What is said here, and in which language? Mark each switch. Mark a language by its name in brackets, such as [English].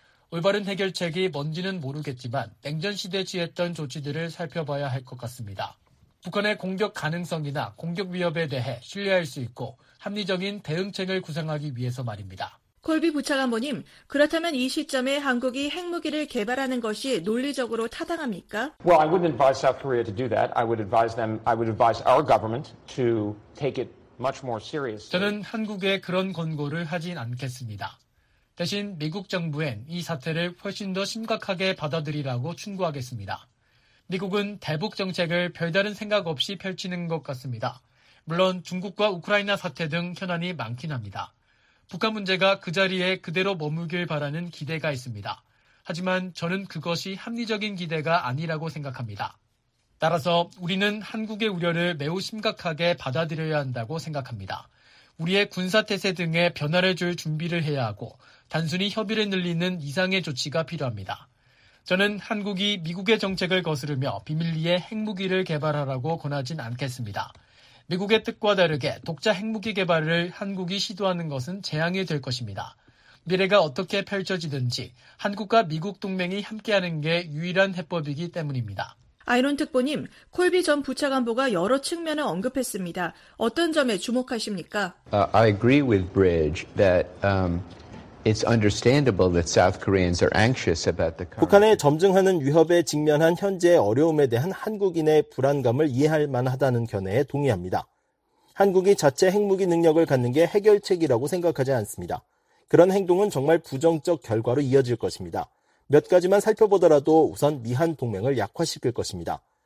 [Korean] 올바른 해결책이 뭔지는 모르겠지만 냉전 시대 취했던 조치들을 살펴봐야 할 것 같습니다. 북한의 공격 가능성이나 공격 위협에 대해 신뢰할 수 있고 합리적인 대응책을 구상하기 위해서 말입니다. 콜비 부차관보님, 그렇다면 이 시점에 한국이 핵무기를 개발하는 것이 논리적으로 타당합니까? [English] Well, I wouldn't advise South Korea to do that. I would advise our government to take it much more seriously. [Korean] 저는 한국에 그런 권고를 하진 않겠습니다. 대신 미국 정부엔 이 사태를 훨씬 더 심각하게 받아들이라고 충고하겠습니다. 미국은 대북 정책을 별다른 생각 없이 펼치는 것 같습니다. 물론 중국과 우크라이나 사태 등 현안이 많긴 합니다. 북한 문제가 그 자리에 그대로 머물길 바라는 기대가 있습니다. 하지만 저는 그것이 합리적인 기대가 아니라고 생각합니다. 따라서 우리는 한국의 우려를 매우 심각하게 받아들여야 한다고 생각합니다. 우리의 군사태세 등에 변화를 줄 준비를 해야 하고 단순히 협의를 늘리는 이상의 조치가 필요합니다. 저는 한국이 미국의 정책을 거스르며 비밀리에 핵무기를 개발하라고 권하진 않겠습니다. 미국의 뜻과 다르게 독자 핵무기 개발을 한국이 시도하는 것은 재앙이 될 것입니다. 미래가 어떻게 펼쳐지든지 한국과 미국 동맹이 함께하는 게 유일한 해법이기 때문입니다. 아이론 특보님, 콜비 전 부차관보가 여러 측면을 언급했습니다. 어떤 점에 주목하십니까? [English] I agree with Bridge that it's understandable that South Koreans are anxious about the [Korean] 북한의 점증하는 위협에 직면한 현재의 어려움에 대한 한국인의 불안감을 이해할 만하다는 견해에 동의합니다. 한국이 자체 핵무기 능력을 갖는 게 해결책이라고 생각하지 않습니다. 그런 행동은 정말 부정적 결과로 이어질 것입니다. 몇 가지만 살펴보더라도 우선 미한 동맹을 약화시킬 것입니다.